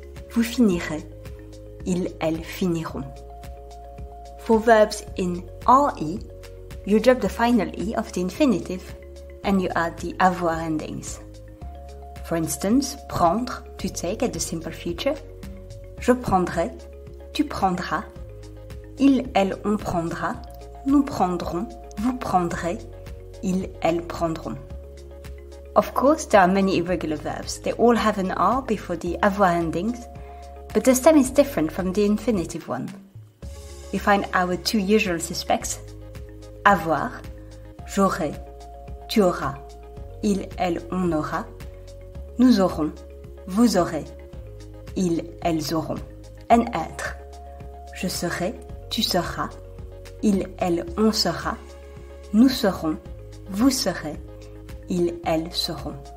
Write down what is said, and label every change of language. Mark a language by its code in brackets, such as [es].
[fr] Vous finirez, ils, elles finiront. [en] For verbs in RE, you drop the final E of the infinitive and you add the avoir endings. For instance, prendre, to take at the simple future. [fr] Je prendrai, tu prendras, ils, elles, on prendra, nous prendrons, vous prendrez, ils, elles prendront. [en] Of course, there are many irregular verbs. They all have an R before the avoir endings, but the stem is different from the infinitive one. We find our two usual suspects. [fr] Avoir, j'aurai, tu auras, il, elle, on aura, nous aurons, vous aurez, ils, elles auront. And être, je serai, tu seras, il, elle, on sera, nous serons, vous serez, ils, elles seront.